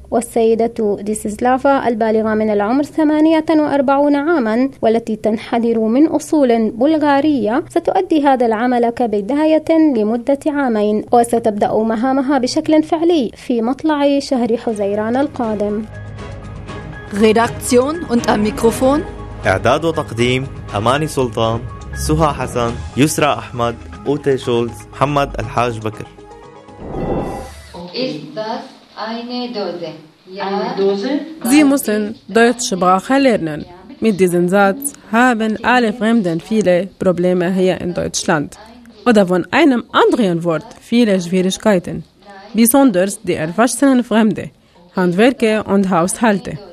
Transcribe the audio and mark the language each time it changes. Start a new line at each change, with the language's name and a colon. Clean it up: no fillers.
Arabic: والسيدة ديسيسلافا البالغة من العمر 48 عاما والتي تنحدر من أصول بلغارية ستؤدي هذا العمل كبداية لمدة 2 وستبدأ مهامها بشكل فعلي في مطلع شهر حزيران القادم.
German: Redaktion und am Mikrofon.
Arabic: إعداد وتقديم أماني سلطان، سهى حسن، يسرى أحمد، أوتي شولز، محمد الحاج بكر.
German: Sie müssen Deutsch Sprache lernen. Mit diesem Satz haben alle Fremden viele Probleme hier in Deutschland. Oder von einem anderen Wort viele Schwierigkeiten. Besonders die erwachsenen Fremde, Handwerker und Haushalte.